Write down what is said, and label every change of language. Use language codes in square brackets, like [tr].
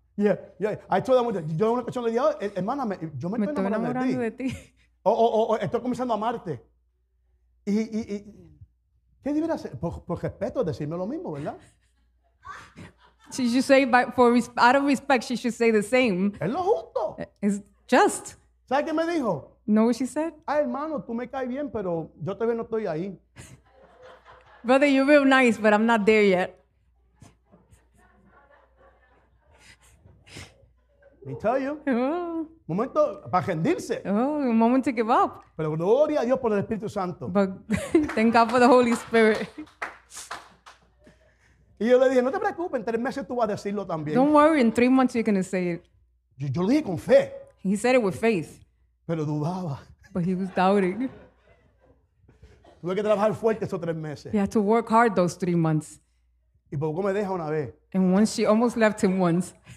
[en] Yeah. I told her, [es] yo una persona le dije, hermana, yo me estoy enamorando de ti. Estoy comenzando a amarte. Y ¿qué debería hacer? Por respeto, decirme lo mismo, ¿verdad? [en] She should say, out of respect, she should say the same. [es] Es lo justo. [en] It's just. [es] ¿Sabes qué me dijo? [en] Know what she said? [es] Ay, hermano, tú me caes bien, pero yo todavía no estoy ahí. [en] Brother, you're real nice, but I'm not there yet. Let me tell you. [es] Momento para rendirse. [en] Oh, a moment to give up. [es] Pero gloria a Dios por el Espíritu Santo. [en] But thank God for the Holy Spirit. [es] Y yo le dije, no te preocupes, en 3 meses tú vas a decirlo también. [en] Don't worry, in 3 months you're going to say it. [es] Yo lo dije con fe. [en] He said it with faith. [es] Pero dudaba. [en] But he was doubting. [es] Tuve que trabajar fuerte esos 3 meses. [en] He had to work hard those 3 months. [es] Y poco me deja una vez. [en] And once she almost left him once.